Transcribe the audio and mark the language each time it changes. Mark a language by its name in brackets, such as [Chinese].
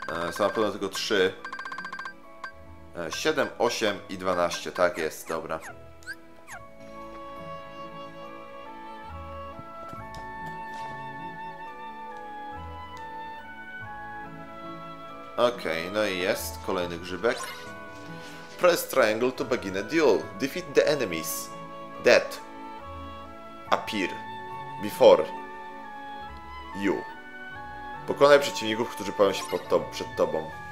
[Polish] są na pewno tylko 3. 7, 8 i 12. Tak jest, dobra. Okej, no i jest kolejny grzybek. [English] Press triangle to begin a duel. Defeat the enemies that appear before you. [Polish] Pokonaj przeciwników, którzy pojawią się pod przed tobą.